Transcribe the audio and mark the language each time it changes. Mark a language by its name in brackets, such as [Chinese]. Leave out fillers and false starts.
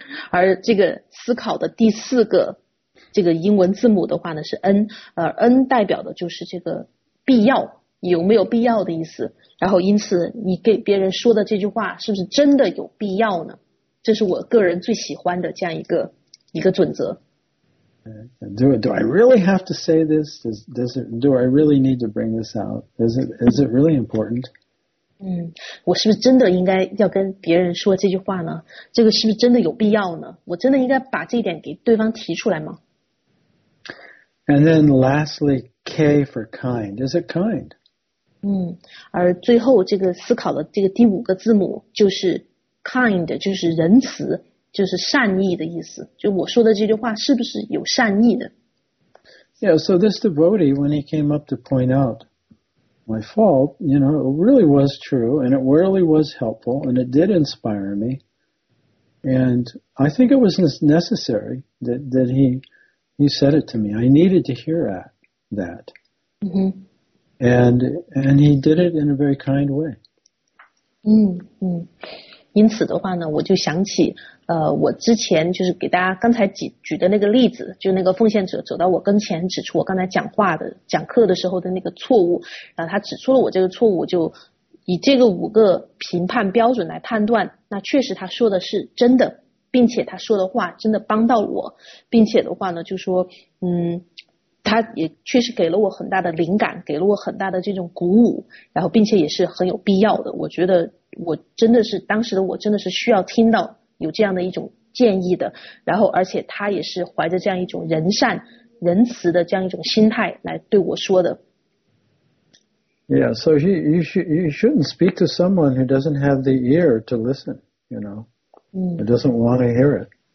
[Chinese] 而这个思考的第四个这个英文字母的话呢是 N, 而 N 代表的就是这个必要，有没有必要的意思。然后因此你给别人说的这句话是不是真的有必要呢？这是我个人最喜欢的这样一个准则。 [English] Do I really have to say this? Do I really need to bring this out? Is it really important? [Chinese] 我是不是真的应该要跟别人说这句话呢？这个是不是真的有必要呢？我真的应该把这一点给对方提出来吗？ [English] And then lastly, K for kind. Is it kind? [Chinese] 而最后这个思考的这个第五个字母就是Kind, 就是仁慈，就是善意的意思。就我说的这句话是不是有善意的？ [English] Yeah, so this devotee, when he came up to point out my fault, you know, it really was true, and it really was helpful, and it did inspire me. And I think it was necessary that he said it to me. I needed to hear that. And he did it in a very kind way. [Chinese] 因此的话呢，我就想起我之前就是给大家刚才举的那个例子，就那个奉献者走到我跟前指出我刚才讲课的时候的那个错误，然后他指出了我这个错误，就以这个五个评判标准来判断，那确实他说的是真的，并且他说的话真的帮到我，并且的话呢就说他也确实给了我很大的灵感，给了我很大的这种鼓舞，然后并且也是很有必要的。我觉得我真的是当时的我真的是需要听到有这样的一种建议的，然后而且他也是怀着这样一种仁善仁慈的这样一种心态来对我说的。 [English] Yeah, so you shouldn't speak to someone who doesn't have the ear to listen, you know, who doesn't want to hear it.